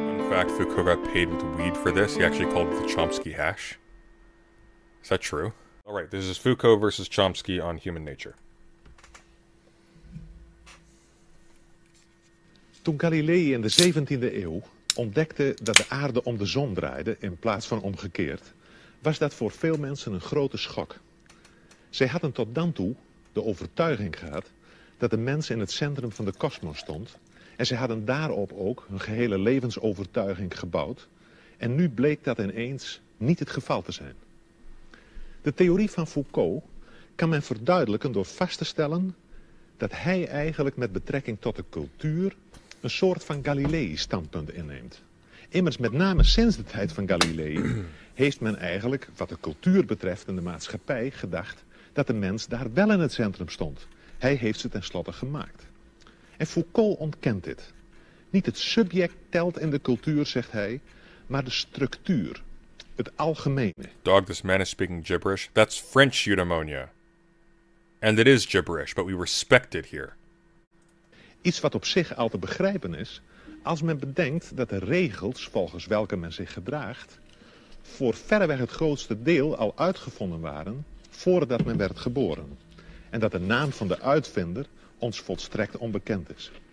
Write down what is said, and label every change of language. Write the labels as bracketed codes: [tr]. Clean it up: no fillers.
[en] fact, Foucault got paid with weed for this. He actually called it the Chomsky hash. Is that true? All right, this is Foucault versus Chomsky on human nature. [nl] Toen Galilei in de 17e eeuw ontdekte dat de aarde om de zon draaide in plaats van omgekeerd, was dat voor veel mensen een grote schok. Zij hadden tot dan toe de overtuiging gehad dat de mens in het centrum van de kosmos stond en zij hadden daarop ook hun gehele levensovertuiging gebouwd en nu bleek dat ineens niet het geval te zijn. De theorie van Foucault kan men verduidelijken door vast te stellen dat hij eigenlijk met betrekking tot de cultuur een soort van Galilei-standpunt inneemt. Immers met name sinds de tijd van Galilei heeft men eigenlijk, wat de cultuur betreft en de maatschappij, gedacht dat de mens daar wel in het centrum stond. Hij heeft ze tenslotte gemaakt. En Foucault ontkent dit. Niet het subject telt in de cultuur, zegt hij, maar de structuur, het algemene. [en] Dog, this man is speaking gibberish. That's French eudaimonia. And it is gibberish, but we respect it here. [nl] Iets wat op zich al te begrijpen is, als men bedenkt dat de regels volgens welke men zich gedraagt, voor verreweg het grootste deel al uitgevonden waren voordat men werd geboren. En dat de naam van de uitvinder ons volstrekt onbekend is.